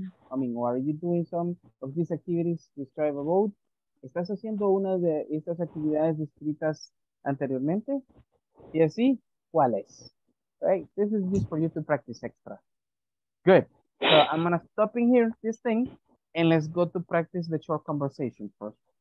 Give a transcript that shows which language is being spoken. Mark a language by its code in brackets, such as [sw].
[en] Are you doing some of these activities described about? [es] ¿Estás haciendo una de estas actividades descritas anteriormente? Y así, ¿cuáles? Right? [en] This is just for you to practice extra. Good. So I'm going to stop in here, this thing, and let's go to practice the short conversation first.